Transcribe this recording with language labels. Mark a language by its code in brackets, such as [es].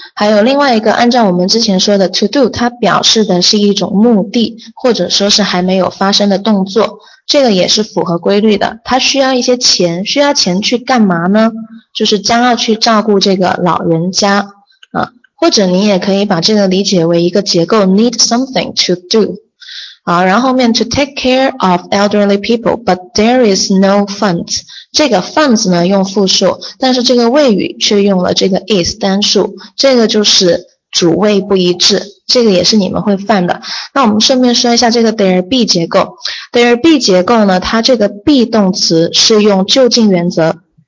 [zh] 还有另外一个，按照我们之前说的 to do， 它表示的是一种目的或者说是还没有发生的动作，这个也是符合规律的。他需要一些钱，需要钱去干嘛呢？就是将要去照顾这个老人家啊。或者你也可以把这个理解为一个结构 ， [en] need something to do。 [zh] 啊，然后后面 [en] to take care of elderly people, but there is no funds。 [zh] 这个 funds 呢用复数，但是这个谓语却用了这个 is 单数，这个就是主谓不一致，这个也是你们会犯的。那我们顺便说一下这个 there be 结构。there be 结构呢，它这个 be 动词是用就近原则。